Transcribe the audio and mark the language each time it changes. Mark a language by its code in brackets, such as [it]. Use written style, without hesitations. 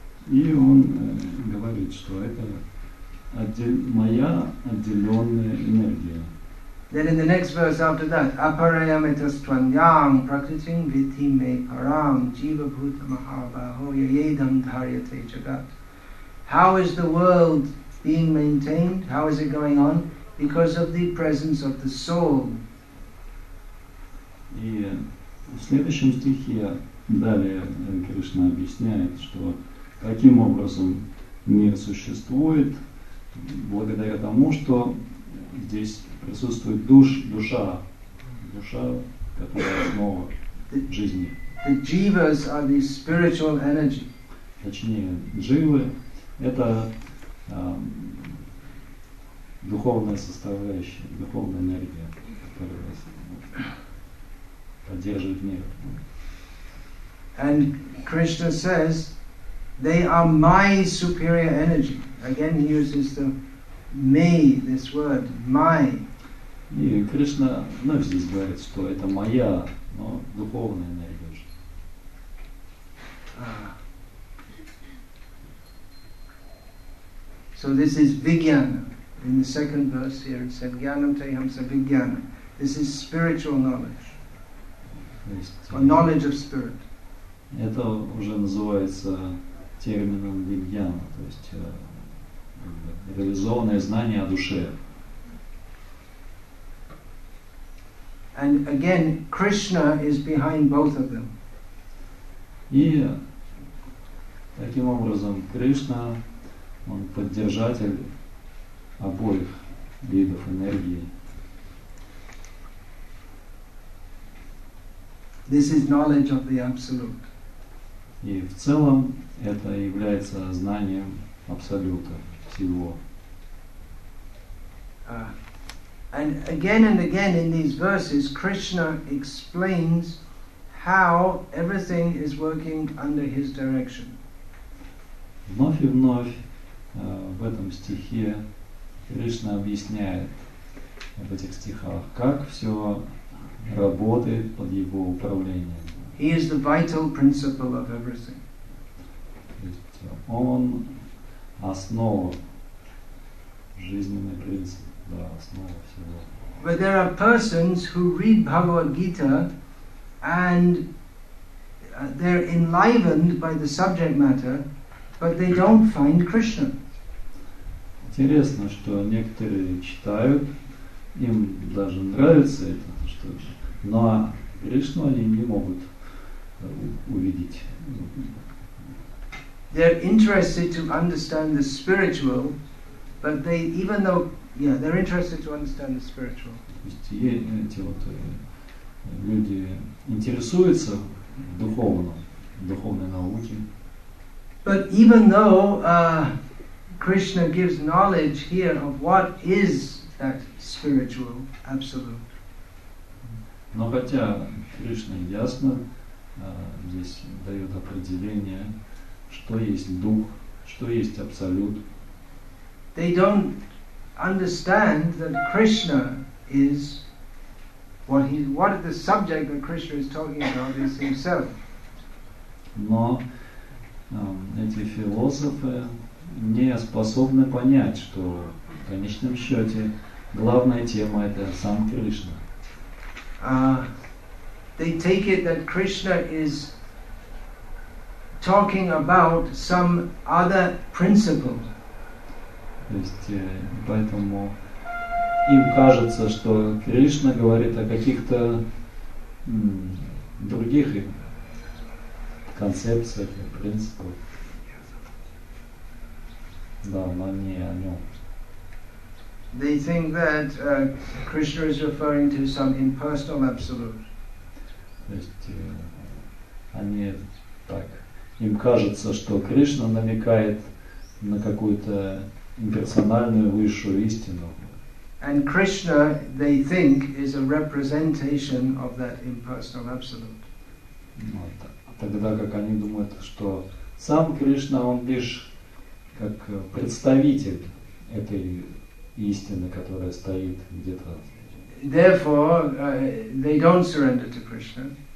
[ru] И он говорит, что это моя отделенная энергия. [en] Then in the next verse after that, [sa] aparayam etastvanyam prakritim viti me param jiva bhuta mahabaho yayedam dharyate jagat. [en] How is the world being maintained? How is it going on? Because of the presence of the soul. [ru] И в следующем стихе далее Кришна объясняет, что таким образом мир существует благодаря тому, что здесь присутствует душа, которая основа жизни. [en] The jivas are the spiritual energy. [ru] Точнее, дживы — это духовная составляющая, духовная энергия, которая поддерживает мир. [en] And Krishna says, they are my superior energy. Again, he uses the may, this word, my. [ru] И Кришна вновь здесь говорит, что это моя, но духовная энергия же. [en] So this is vijnana. In the second verse here it said, [sa] jnanam teham sa vijnana. [en] This is spiritual knowledge. [ru] Есть, [en] or knowledge of spirit. [ru] Это уже называется термином вигьяна, то есть реализованное знание о душе. [en] And again, Krishna is behind both of them. [ru] И таким образом Кришна, он поддержатель обоих видов энергии. [en] This is knowledge of the Absolute. [ru] И в целом это является знанием Абсолюта всего. [en] And again in these verses, Krishna explains how everything is working under his direction. [ru] Вновь и вновь в этом стихе Кришна объясняет, в этих стихах, как все работает под его управлением. [en] He is the vital principle of everything. [ru] Он основа, жизненный принцип, да, основа всего. [en] But there are persons who read Bhagavad Gita and they're enlivened by the subject matter, but they don't find Krishna. [ru] Интересно, что некоторые читают, им даже нравится это, что, но Кришну они не могут увидеть. [en] They're interested to understand the spiritual, but they, even though, yeah, they're interested to understand the spiritual. [ru] То есть эти вот люди интересуются духовной науке. [en] But even though Krishna gives knowledge here of what is that spiritual absolute. [ru] Но хотя Кришна ясно здесь дает определение, что есть дух, что есть абсолют. [en] They don't understand that Krishna is what the subject that Krishna is talking about is himself. [ru] Но эти философы не способны понять, что в конечном счете главная тема это сам Кришна. [en] They take it that Krishna is talking about some other principle. [ru] То есть, поэтому им кажется, что Кришна говорит о каких-то других концепциях, принципах. Да, но не о нем. [en] They think that Krishna is referring to some impersonal absolute. [ru] То есть, они так. Им кажется, что Кришна намекает на какую-то имперсональную высшую истину. [en] And Krishna, they think, is a representation of that impersonal absolute. [ru] Вот. А тогда как они думают, что сам Кришна, он лишь как представитель этой истины, которая стоит где-то. [en] Therefore, they don't surrender to Krishna.